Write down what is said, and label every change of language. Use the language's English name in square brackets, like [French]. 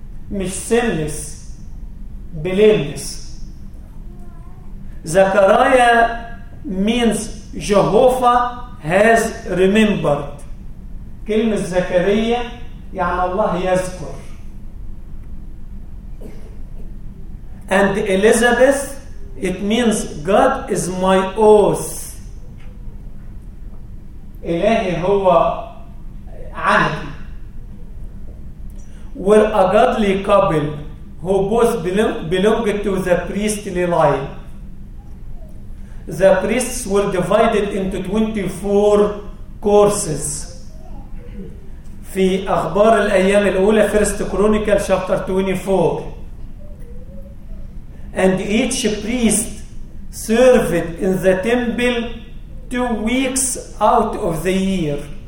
[English] مش سنلس بليمس زكريا means Jehovah has remembered. [Arabic] كلمة زكريا يعني الله يذكر. [English] And Elizabeth, it means God is my oath. [Arabic] إلهي هو عهدي. [English] Where a godly couple who both belong to the priestly line. The priests were divided into 24 courses. [Arabic] في أخبار الأيام الأولى, First Chronicles chapter 24. [English] And each priest served in the temple 2 weeks out of the year.